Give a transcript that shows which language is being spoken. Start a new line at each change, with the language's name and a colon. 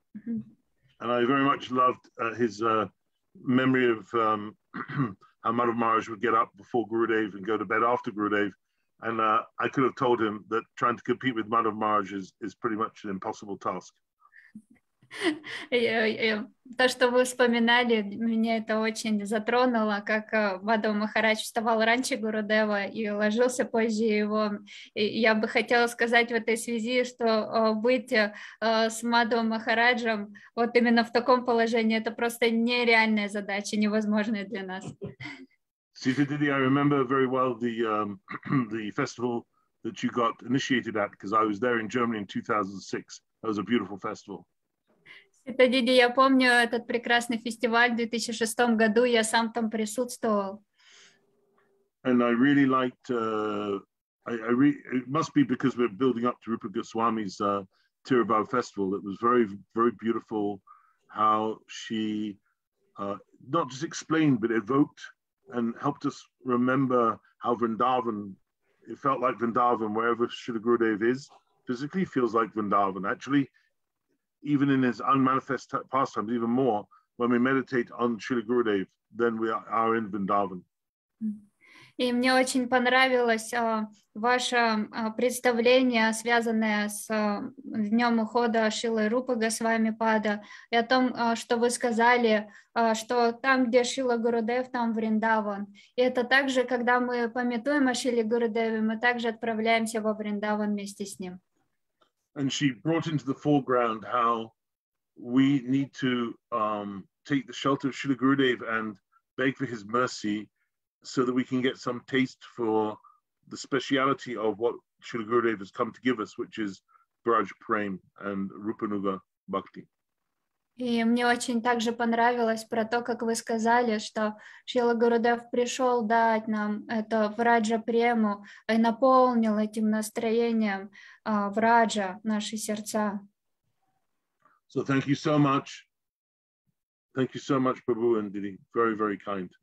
English: And I very much loved his memory of how Madhav Maharaj would get up before Gurudev and go to bed after Gurudev. And I could have told him that trying to compete with Madhav Maharaj is pretty much an impossible task.
Russian: То, что вы вспоминали, меня это очень затронуло, как Мадхава Махарадж вставал раньше Гурудева и ложился позже его. Я бы хотела сказать в этой связи, что быть с Мадхава Махараджем вот именно в таком положении, это просто нереальная задача, невозможная для нас.
English: Sita Didi, I remember very well the festival that you got initiated at, because I was there in Germany in 2006. That was a beautiful festival.
Russian: Sita Didi, я помню этот прекрасный фестиваль в 2006 году. Я сам там присутствовал.
English: And I really liked. It must be because we're building up to Rupa Goswami's Tiruvav festival. It was very, very beautiful. How she not just explained, but evoked. And helped us remember how Vrindavan, it felt like Vrindavan, wherever Srila Gurudev is, physically feels like Vrindavan. Actually, even in his unmanifest pastimes, even more, when we meditate on Srila Gurudev, then we are in Vrindavan.
Russian: И мне очень понравилось ваше представление, связанное с днем ухода Шилы Рупы Госвами Пада, и о том, что вы сказали, что там, где Шила Гурудев, там Вриндаван. И это также, когда мы памятуем о Шиле Гурудеве, мы также отправляемся во Вриндаван вместе с ним.
English: And she brought into the foreground how we need to take the shelter of Srila Gurudeva and beg for his mercy so that we can get some taste for the speciality of what Srila Gurudeva has come to give us, which is Braj Prem and Rupanuga Bhakti.
Russian: И мне очень также понравилось про то, как вы сказали, что Шрила Гурудев пришел дать нам это враджа прему и наполнил этим настроением враджа наши сердца.
English: So thank you so much. Thank you so much, Prabhu and Didi. Very, very kind.